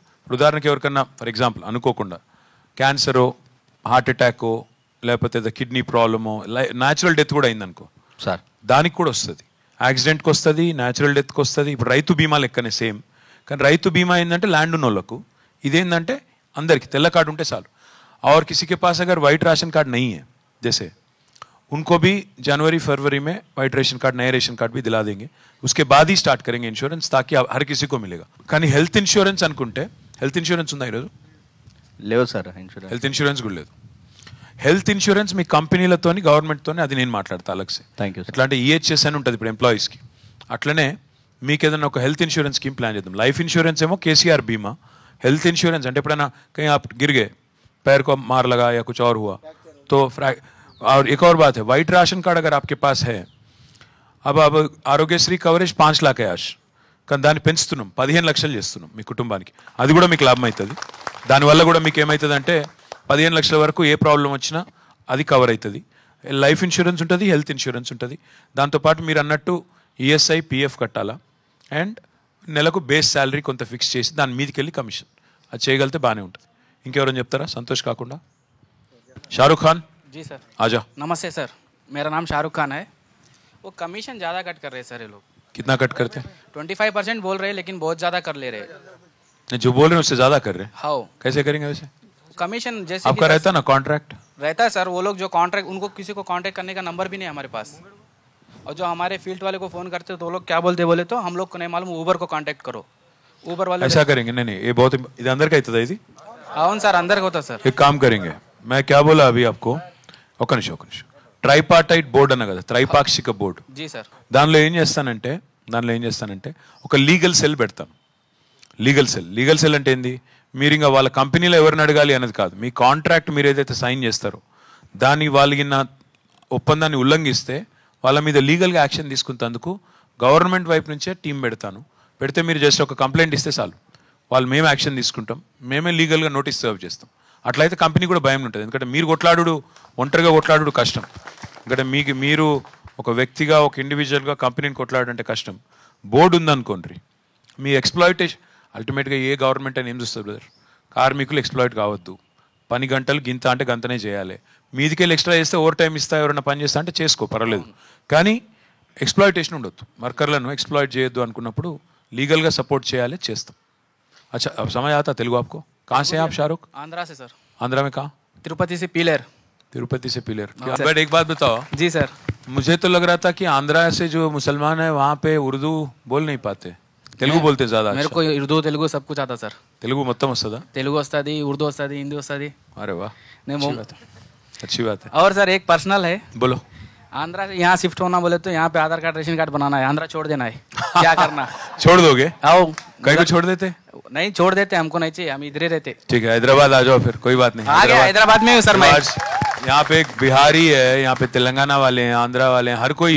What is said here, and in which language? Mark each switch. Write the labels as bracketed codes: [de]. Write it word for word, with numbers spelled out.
[te] ఇప్పుడు ఉదాహరణకి ఎవరికన్నా ఫర్ ఎగ్జాంపుల్ అనుకోకుండా క్యాన్సరో హార్ట్ అటాకో లేకపోతే ఏదో కిడ్నీ ప్రాబ్లమో లై న్యాచురల్ డెత్ కూడా అయిందనుకో [en] sir, [te] దానికి కూడా వస్తుంది, యాక్సిడెంట్కి వస్తుంది, న్యాచురల్ డెత్కి వస్తుంది. ఇప్పుడు రైతు బీమా లెక్కనే సేమ్, కానీ రైతు బీమా ఏంటంటే ల్యాండ్ ఉన్న వాళ్ళకు, ఇదేంటంటే అందరికీ తెల్ల కార్డు ఉంటే చాలు. [hi] और किसी के पास अगर वाइट राशन कार्ड नहीं है जैसे, उनको भी जनवरी फरवरी में वाइट राशन कार्ड, नए राशन कार्ड भी दिला देंगे, उसके बाद ही स्टार्ट करेंगे इंश्योरेंस, ताकि हर किसी को मिलेगा. [te] కానీ హెల్త్ ఇన్సూరెన్స్ అనుకుంటే, హెల్త్ ఇన్సూరెన్స్ ఉందా ఈరోజు? లేదు సార్, ఇన్సూరెన్స్ హెల్త్ ఇన్సూరెన్స్ కూడా లేదు. హెల్త్ ఇన్సూరెన్స్ మీ కంపెనీలతోని గవర్నమెంట్తోని అది నేను మాట్లాడతా అలక్సే. Thank you. ఎట్లా అంటే ఈహెచ్ఎస్ అని ఉంటుంది ఇప్పుడు ఎంప్లాయీస్కి, అట్లనే మీకు ఏదైనా ఒక హెల్త్ ఇన్సూరెన్స్ స్కీమ్ ప్లాన్ చేద్దాం. లైఫ్ ఇన్సూరెన్స్ ఏమో కేసీఆర్ బీమా, హెల్త్ ఇన్సూరెన్స్ అంటే ఎప్పుడైనా [hi] कहीं आप गिर गए, पैर को मार लगा या कुछ और हुआ तो फ्रैक. और एक और बात है, वाइट राशन कार्ड अगर आपके पास है, अब अब [te] ఆరోగ్యశ్రీ కవరేజ్ [hi] पाँच लाख [te] యాష్, కానీ దాన్ని పెంచుతున్నాం పదిహేను లక్షలు చేస్తున్నాం మీ కుటుంబానికి, అది కూడా మీకు లాభం అవుతుంది. దానివల్ల కూడా మీకు ఏమవుతుంది అంటే పదిహేను లక్షల వరకు ఏ ప్రాబ్లం వచ్చినా అది కవర్ అవుతుంది. లైఫ్ ఇన్సూరెన్స్ ఉంటుంది, హెల్త్ ఇన్సూరెన్స్ ఉంటుంది, దాంతోపాటు మీరు అన్నట్టు ఈఎస్ఐ పీఎఫ్ కట్టాలా, అండ్ నెలకు బేస్ శాలరీ కొంత ఫిక్స్ చేసి దాని మీదకి వెళ్ళి కమిషన్, అది చేయగలితే బాగానే ఉంటుంది. ఇంకెవరైనా చెప్తారా సంతోష్ కాకుండా? शाहरुख खान [hi] जी सर, आजा. नमस्ते सर, मेरा नाम शाहरुख खान है. वो कमीशन ज़्यादा कट कर रहे हैं सर ये लोग. कितना कट करते हैं? ट्वेंटी फाइव परसेंट बोल रहे हैं, लेकिन बहुत ज़्यादा कर ले रहे हैं. जो बोल रहे हैं उससे ज़्यादा कर रहे हैं. हाँ, कैसे करेंगे वैसे? कमीशन जैसे आपका रहता ना कॉन्ट्रैक्ट रहता है सर, वो लोग जो कॉन्ट्रैक्ट, उनको किसी को कॉन्ट्रैक्ट करने का नंबर भी नहीं है हमारे पास. और जो हमारे फील्ड वाले को फ़ोन करते तो वो लोग क्या बोलते, बोले तो हम लोग को नहीं मालूम, ऊबर को कॉन्टैक्ट करो, ऊबर वाले ऐसा करेंगे. नहीं नहीं, ये बहुत इधर अंदर का इतना है. [te] అవును సార్, అందరికి అవుతుంది సార్. [hi] एक काम करेंगे, मैं क्या बोला अभी आपको, [te] ఒక నిమిషం ఒక నిమిషం ట్రైపార్టైట్ బోర్డు అన్న కదా, త్రైపాక్షిక బోర్డు. [hi] G sir. [te] దానిలో ఏం చేస్తానంటే దానిలో ఏం చేస్తానంటే ఒక లీగల్ సెల్ పెడతాను. లీగల్ సెల్ లీగల్ సెల్ అంటే ఏంది? మీరు ఇంకా వాళ్ళ కంపెనీలో ఎవరిని అడగాలి అనేది కాదు, మీ కాంట్రాక్ట్ మీరు ఏదైతే సైన్ చేస్తారో దాన్ని వాళ్ళకిన్న ఒప్పందాన్ని ఉల్లంఘిస్తే వాళ్ళ మీద లీగల్గా యాక్షన్ తీసుకున్నందుకు గవర్నమెంట్ వైపు నుంచే టీం పెడతాను. పెడితే మీరు జస్ట్ ఒక కంప్లైంట్ ఇస్తే చాలు, వాళ్ళు మేము యాక్షన్ తీసుకుంటాం, మేమే లీగల్గా నోటీస్ సర్వ్ చేస్తాం. అట్లయితే కంపెనీ కూడా భయం ఉంటుంది, ఎందుకంటే మీరు కొట్లాడు ఒంటరిగా కొట్లాడు కష్టం, ఎందుకంటే మీకు మీరు ఒక వ్యక్తిగా ఒక ఇండివిజువల్గా కంపెనీని కొట్లాడంటే కష్టం. బోర్డు ఉందనుకోండి, మీ ఎక్స్ప్లాయిటేషన్ అల్టిమేట్గా ఏ గవర్నమెంట్ అని ఏం చూస్తుంది బ్రదర్, కార్మికులు ఎక్స్ప్లాయిట్ కావద్దు, పని గంటలు గింత అంటే గంతనే చేయాలి, మీదికెళ్ళి ఎక్స్ట్రా చేస్తే ఓవర్ టైం ఇస్తా, ఎవరైనా పని చేస్తా అంటే చేసుకో పర్వాలేదు, కానీ ఎక్స్ప్లాయిటేషన్ ఉండొద్దు, వర్కర్లను ఎక్స్ప్లాయిట్ చేయొద్దు అనుకున్నప్పుడు లీగల్గా సపోర్ట్ చేయాలి, చేస్తాం. [hi] अच्छा, अब समझ आता तेलुगु आपको? कहाँ से हैं आप शाहरुख? आंध्रा से सर. आंध्रा में कहाँ? तिरुपति से पीलेर. तिरुपति से पीलेर. बट एक बात बताओ जी सर, मुझे तो लग रहा था कि आंध्रा से जो मुसलमान है वहाँ पे उर्दू बोल नहीं पाते, तेलुगु बोलते ज़्यादा. मेरे को उर्दू तेलुगु सब कुछ आता सर. [te] तेलुगु మొత్తం వస్తుందా? తెలుగు వస్తుంది, ఉర్దూ వస్తుంది, హిందీ వస్తుంది. [hi] अरे वाह, नहीं अच्छी बात है. और सर एक पर्सनल है, बोलो. आंध्रा से यहाँ शिफ्ट होना बोले तो यहाँ पे आधार कार्ड रेशन कार्ड बनाना है, आंध्रा छोड़ देना है. क्या करना? छोड़ दोगे? आओ कहीं को छोड़ देते? नहीं छोड़ देते, हमको नहीं चाहिए, हम इधर ही रहते. ठीक है, हैदराबाद आ जाओ फिर, कोई बात नहीं. आ गया हैदराबाद में हूँ सर मैं. यहाँ पे एक बिहारी है, यहाँ पे तेलंगाना वाले हैं, आंध्रा वाले हैं, हर कोई.